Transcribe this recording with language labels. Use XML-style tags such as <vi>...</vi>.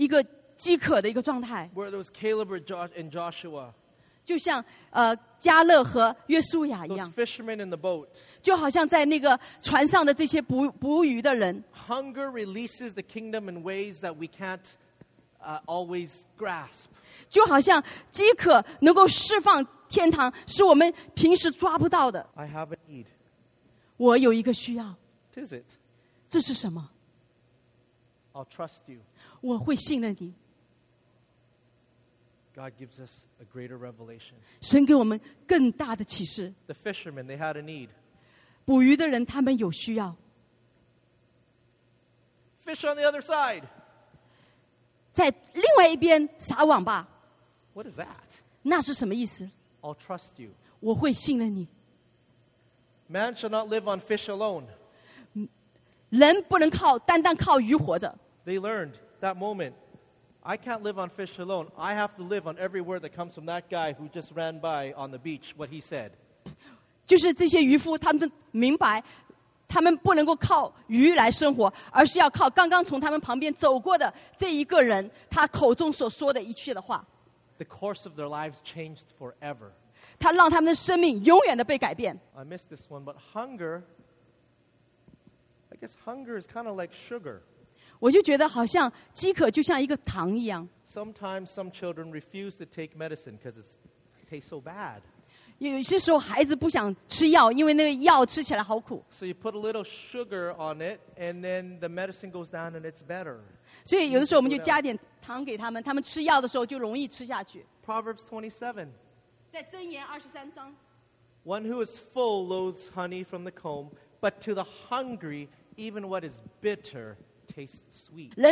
<zh>他们就来到神面前是一个饥渴的一个状态.</zh> <en>Where there was Caleb and Joshua.</en> <zh>就像加勒和约书亚一样.</zh> <en>Those fishermen in the boat.</en> <zh>就好像在那个船上的这些捕鱼的人.</zh> <en>Hunger releases the kingdom in ways that we can't always grasp.</en> <zh>就好像饥渴能够释放天堂, 是我们平时抓不到的.</zh> <en>I have a need.</en> <zh>我有一个需要.</zh> <en>What is it?</en> <zh>这是什么?</zh> <en>I'll trust you.</en> <zh>我会信任你.</zh> <en>God gives us a greater revelation.</en> <zh>神给我们更大的启示.</zh> <en>The fishermen, they had a need.</en> <zh>捕鱼的人他们有需要.</zh> <en>Fish on the other side.</en> <zh>在另外一边撒网吧.</zh> <en>What is that?</en> <zh>那是什么意思?</zh> <en>I'll trust you.</en> <zh>我会信任你.</zh> <en>Man shall not live on fish alone.</en> <zh>人不能靠单单靠鱼活着.</zh> <en>They learned that moment. I can't live on fish alone. I have to live on every word that comes from that guy who just ran by on the beach, what he said.</en> <zh>就是这些渔夫他们明白, 他们不能够靠鱼来生活, 而是要靠刚刚从他们旁边走过的这一个人, 他口中所说的一切的话.</zh> <en>The course of their lives changed forever.</en> <zh>他让他们的生命永远的被改变.</zh> <en>I missed this one, but hunger, I guess hunger is kind of like sugar.</en> <zh>我就觉得好像饥渴就像一个糖一样.</zh> <en>Sometimes some children refuse to take medicine because it tastes so bad.</en> <zh>有些时候孩子不想吃药，因为那个药吃起来好苦.</zh> <en>So you put a little sugar on it, and then the medicine goes down, and it's better.</en> <zh>所以有的时候我们就加点糖给他们，他们吃药的时候就容易吃下去.</zh> <en>Proverbs 27.</en> <zh>在箴言23章.</zh> <en>One who is full loathes honey from the comb, but to the hungry, even what is bitter tastes sweet.</en>